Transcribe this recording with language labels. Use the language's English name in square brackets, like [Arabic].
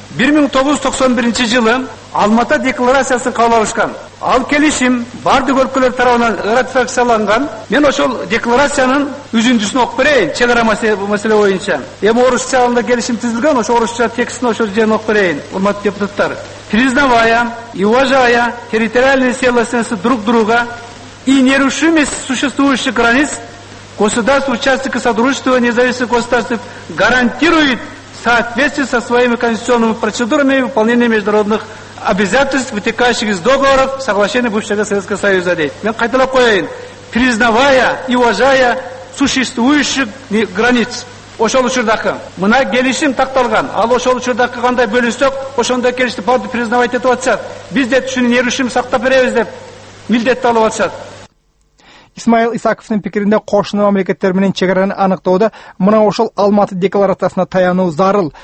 [Kyrgyz] 1991-жылы Алматы декларациясын кабыл алышкан. Ал келишим бардык өлкөлөр тарабынан ратификацияланган. Мен ошол декларациянын үзүндүсүн окуп берейин чек ара маселе боюнча. Эми орусчада келишим түзүлгөн, ошол орусча текстин ошол жерин окуп берейин, урматтуу депутаттар. [Russian] Признавая и уважая территориальные целостности друг друга и нерушимость существующих границ, государство участника содружества независимых государств гарантирует в соответствии со своими конституционными процедурами выполнение международных обязательств, вытекающих из договоров, соглашений бывшего Советского Союза. [Kyrgyz] Мен кайталап коеюн, [Russian] признавая и уважая существующих границ. [Kyrgyz] Ошол учурдакы мына келишим такталган, ал ошол учурдакы кандай бөлүнсөк ошондой келишти барды признавать этип атышат. Биз де түшүнүн нерушимости сактап беребиз деп милдетти алып атышат. Исмаил Исаковтың пикиринде кошуна мамлекеттер менен чегараны аныктоода мына ошол Алматы декларациясына таянуу зарыл.